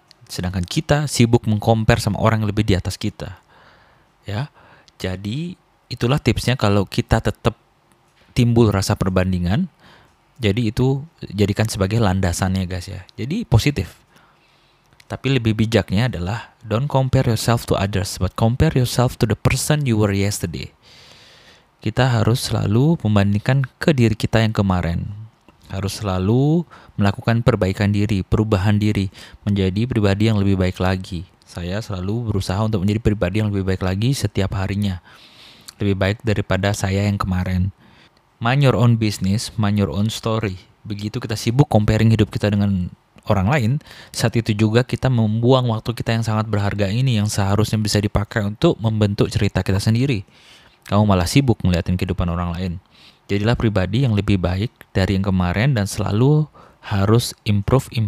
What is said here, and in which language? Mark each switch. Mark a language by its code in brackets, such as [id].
[id] Sedangkan kita sibuk mengcompare sama orang yang lebih di atas kita. Ya, jadi itulah tipsnya kalau kita tetap timbul rasa perbandingan. Jadi itu jadikan sebagai landasannya guys ya. Jadi positif. Tapi lebih bijaknya adalah [en] don't compare yourself to others, but compare yourself to the person you were yesterday. [id] Kita harus selalu membandingkan ke diri kita yang kemarin. Harus selalu melakukan perbaikan diri, perubahan diri, menjadi pribadi yang lebih baik lagi. Saya selalu berusaha untuk menjadi pribadi yang lebih baik lagi setiap harinya. Lebih baik daripada saya yang kemarin. [en] Mind your own business, mind your own story. [id] Begitu kita sibuk comparing hidup kita dengan orang lain, saat itu juga kita membuang waktu kita yang sangat berharga ini, yang seharusnya bisa dipakai untuk membentuk cerita kita sendiri. Kamu malah sibuk ngeliatin kehidupan orang lain. Jadilah pribadi yang lebih baik dari yang kemarin dan selalu harus improve.